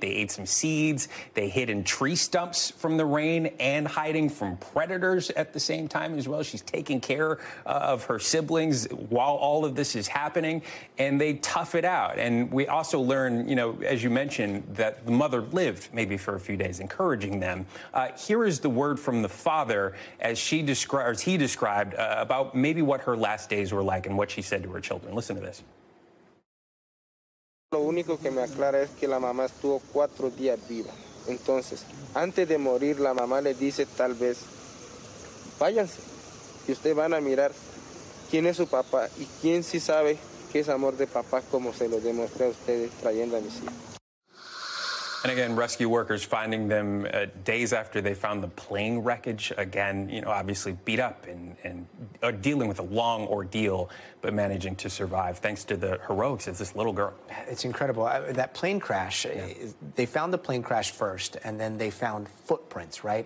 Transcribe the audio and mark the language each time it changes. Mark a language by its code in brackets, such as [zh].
[en] They ate some seeds. They hid in tree stumps from the rain and hiding from predators at the same time as well. She's taking care of her siblings while all of this is happening, and they tough it out. And we also learn, you know, as you mentioned, that the mother lived maybe for a few days, encouraging them. Here is the word from the father as he described about maybe what her last days were like and what she said to her children. Listen to this. [es] Lo único que me aclara es que la mamá estuvo cuatro días viva. Entonces, antes de morir, la mamá le dice tal vez, váyanse, y ustedes van a mirar quién es su papá y quién sí sabe qué es amor de papá, como se lo demostré a ustedes trayendo a mis hijos. [en] And again, rescue workers finding them days after they found the plane wreckage. Again, you know, obviously beat up and are dealing with a long ordeal, but managing to survive thanks to the heroics of this little girl. It's incredible. That plane crash, they found the plane crash first, and then they found footprints, right?